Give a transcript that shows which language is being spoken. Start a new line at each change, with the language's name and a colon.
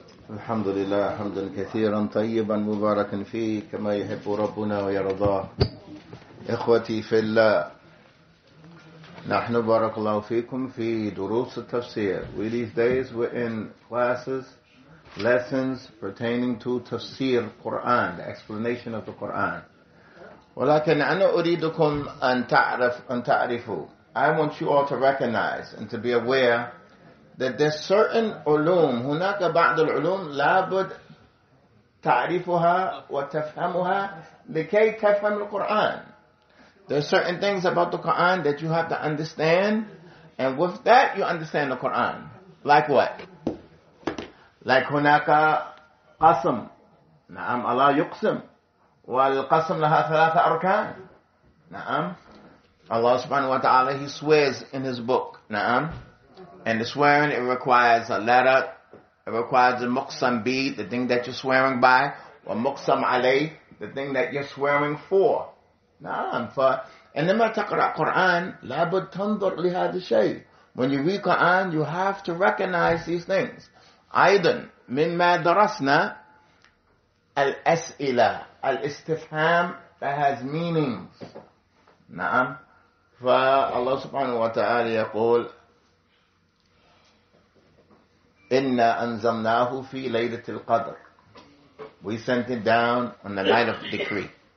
Arabic: الحمد لله حمدا كثيرا طيبا مباركا فيه كما يحب ربنا ويرضاه. إخوتي في الله، نحن بارك الله فيكم في دروس التفسير.
English: We these days were in classes, lessons pertaining to
Arabic: تفسير القرآن,
English: the explanation of the Quran.
Arabic: ولكن أنا أريدكم أن تعرف أن تعرفوا.
English: I want you all to recognize and to be aware that there's certain
Arabic: علوم, هناك بعض العلوم لابد تعرفها وتفهمها لكي تفهم القرآن.
English: There are certain things about the Quran that you have to understand, and with that you understand the Quran. Like what? Like
Arabic: هناك قسم. نعم الله يقسم. والقسم لها ثلاثة أركان. نعم.
English: Allah
Arabic: subhanahu wa ta'ala,
English: He swears in His book.
Arabic: نعم.
English: And the swearing, it requires a letter. It requires a muqsam bi, the thing that you're swearing by. Wa muqsam alayh, the thing that you're swearing for.
Arabic: نعم. فإنما تقرأ قرآن لابد تنظر لهذا الشيء.
English: When you read Quran, you have to recognize these things.
Arabic: أيضا مما درسنا الأسئلة الاستفهام
English: that has meanings.
Arabic: نعم. فالله سبحانه وتعالى يقول إنا أنزلناه في ليلة القدر.
English: We sent it down on the night of the decree.